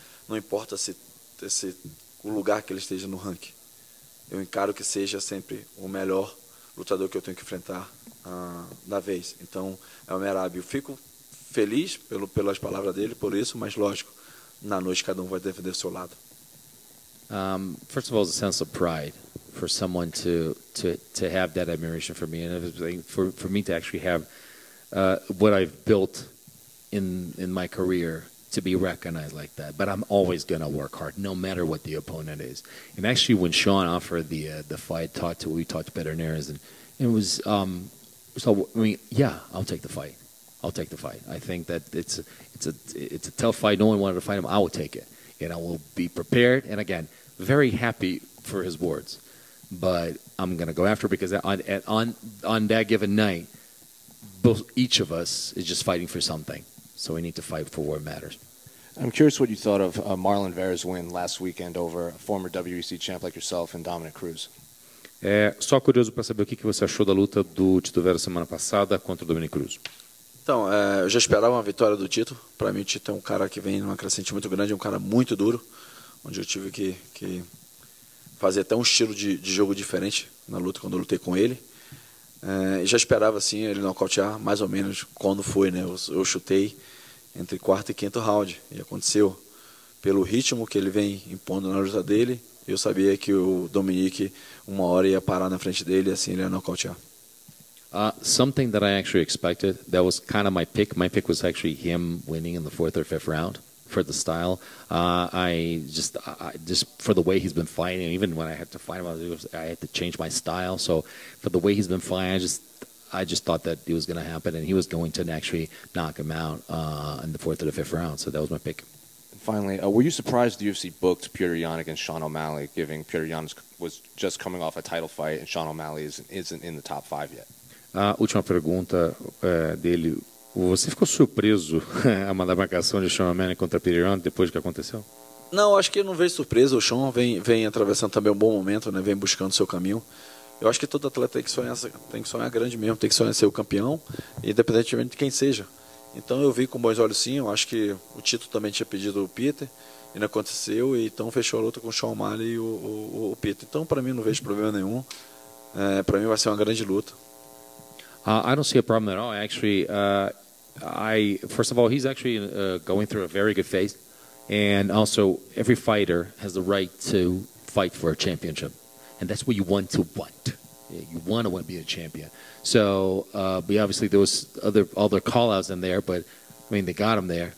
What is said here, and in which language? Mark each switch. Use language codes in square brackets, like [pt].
[pt] Não importa se o lugar que ele esteja no ranking. Eu encaro que seja sempre o melhor lutador que eu tenho que enfrentar da vez. Então, é o Merab. Eu fico feliz pelas palavras dele, por isso, mas lógico, na noite cada um vai defender o seu lado. [en] First of all, the sense of pride for someone to have that admiration for me, and for me to actually have what I've built in my career to be recognized like that. But I'm always going to work hard, no matter what the opponent is. And actually, when Sean offered the fight, we talked to veterinarians, and it was I'll take the fight. I'll take the fight. I think that it's a tough fight. No one wanted to fight him. I will take it, and I will be prepared. And again, very happy for his words. But I'm going to go after, because on that given night, each of us is just fighting for something. So we need to fight for what matters. I'm curious what you thought of Marlon Vera's win last weekend over a former WEC champ like yourself and Dominic Cruz. [pt] Só curioso para saber o que você achou da luta do Tito Vera semana passada contra o Dominic Cruz. Então, eu já esperava uma vitória do Tito. Para mim, o Tito é um cara que vem numa crescente muito grande, é um cara muito duro, onde eu tive que fazer até um estilo de jogo diferente na luta, quando eu lutei com ele. Já esperava, assim, ele nocautear, mais ou menos, quando foi, né? Eu chutei entre quarto e quinto round, e aconteceu. Pelo ritmo que ele vem impondo na luta dele, eu sabia que o Dominique, uma hora, ia parar na frente dele, e assim ele ia nocautear. [en] Something that I actually expected, that was kind of my pick. My pick was actually him winning in the fourth or fifth round. For the style, I just for the way he's been fighting, even when I had to fight him, I had to change my style. So for the way he's been fighting, I just thought that it was going to happen, and he was going to actually knock him out in the fourth or the fifth round. So that was my pick. And finally, were you surprised the UFC booked Peter Yan against Sean O'Malley, given Peter Yan was just coming off a title fight and Sean O'Malley isn't in the top five yet? [pt] Última pergunta dele. Você ficou surpreso da marcação de Sean O'Malley contra Peter Yan depois do que aconteceu? Não, acho que eu não vejo surpresa. O Sean vem atravessando também um bom momento, né? Vem buscando seu caminho. Eu acho que todo atleta tem que sonhar grande mesmo, tem que sonhar ser o campeão, independentemente de quem seja. Então eu vi com bons olhos, sim. Eu acho que o título também tinha pedido o Peter, e não aconteceu, e então fechou a luta com o Sean O'Malley e o Peter. Então, para mim, não vejo problema nenhum. Para mim vai ser uma grande luta. [en] I don't see a problem at all. Actually, I first of all, he's actually going through a very good phase, and also every fighter has the right to fight for a championship, and that's what you want to want. You want to be a champion. So, but obviously there was other call-outs in there, but I mean they got him there.